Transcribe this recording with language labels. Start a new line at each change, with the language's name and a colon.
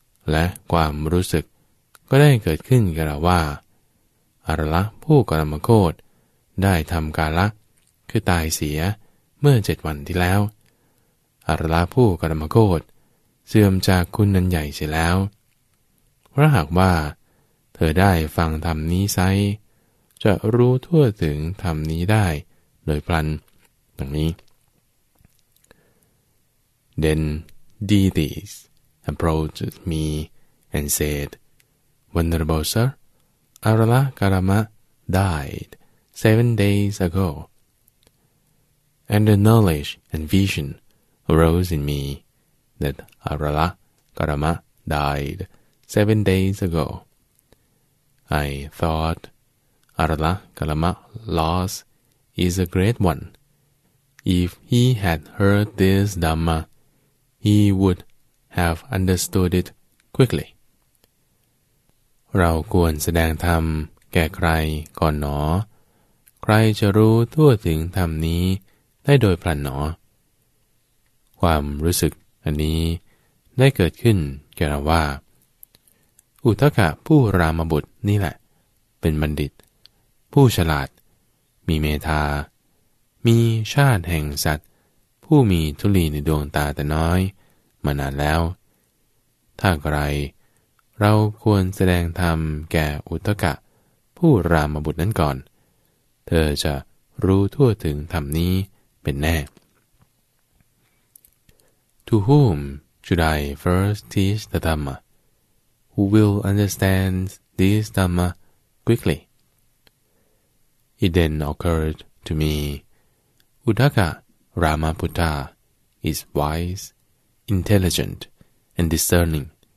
Thai: และความรู้สึกก็ได้เกิดขึ้นกล่าวว่าอารละผู้กรมโคตรได้ทำกาละคือตายเสียเมื่อเจ็ดวันที่แล้วอารละผู้กรมโคตรเสื่อมจากคุณนั้นใหญ่เสียแล้วเพราะหากว่าเธอได้ฟังธรรมนี้ไซจะรู้ทั่วถึงธรรมนี้ได้โดยพลันดังนี้
English: Then deities approached me and said, Venerable sir, Arala Karma died 7 days ago. And the knowledge and vision arose in meThat Arala Karma died 7 days ago. I thought Arala Karma loss is a great one. If he had heard this Dhamma, he would have understood it quickly.
Thai: เราควรแสดงธรรมแก่ใครก่อนหนอใครจะรู้ทั่วถึงธรรมนี้ได้โดยพลันหนอ ความรู้สึก อันนี้ได้เกิดขึ้นแก่เราว่าอุทกะผู้รามบุตรนี่แหละเป็นบัณฑิตผู้ฉลาดมีเมตตามีชาติแห่งสัตว์ผู้มีทุลีในดวงตาแต่น้อยมานานแล้วถ้าใครเราควรแสดงธรรมแก่อุทกะผู้รามบุตรนั้นก่อนเธอจะรู้ทั่วถึงธรรมนี้เป็นแน่
English: To whom should I first teach the Dhamma? Who will understand this Dhamma quickly? It then occurred to me, Uttaka Ramaputta is wise, intelligent, and discerning.